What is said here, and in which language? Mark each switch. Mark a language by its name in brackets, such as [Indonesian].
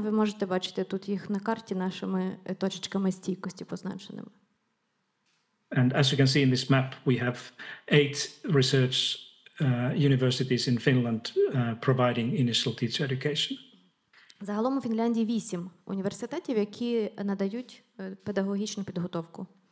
[Ukrainian] Ви можете бачити тут їх на карті нашими точечками стійкості позначеними. [English] And as you can see in this map, we have 8 research universities in Finland providing initial teacher education. [Ukrainian] Загалом у Фінляндії 8 університетів, які надають педагогічну підготовку.